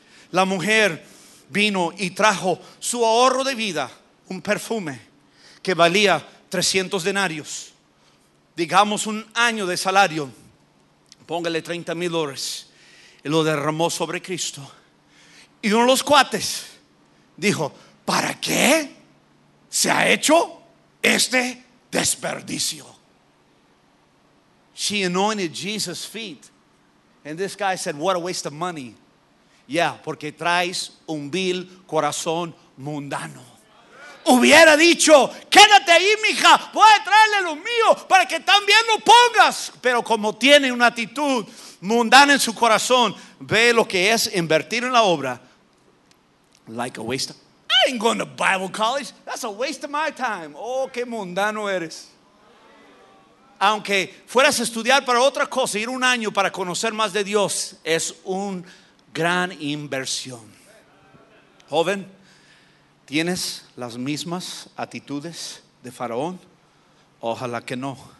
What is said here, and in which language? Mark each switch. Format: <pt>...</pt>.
<es>La mujer vino y trajo su ahorro de vida, un perfume que valía 300 denarios, digamos un año de salario, póngale $30,000, y lo derramó sobre Cristo. Y uno de los cuates dijo: ¿para qué se ha hecho este desperdicio?</es> <en>She anointed Jesus' feet, and this guy said, what a waste of money.</en> <es>Ya, porque traes un vil corazón mundano. Hubiera dicho: quédate ahí, mija, voy a traerle lo mío para que también lo pongas. Pero como tiene una actitud mundana en su corazón, ve lo que es invertir en la obra</es> <en>like a waste. I ain't going to Bible college, that's a waste of my time.</en> <es>Oh, qué mundano eres. Aunque fueras a estudiar para otra cosa, ir un año para conocer más de Dios, es un gran inversión. Joven, ¿tienes las mismas actitudes de Faraón? Ojalá que no.</es>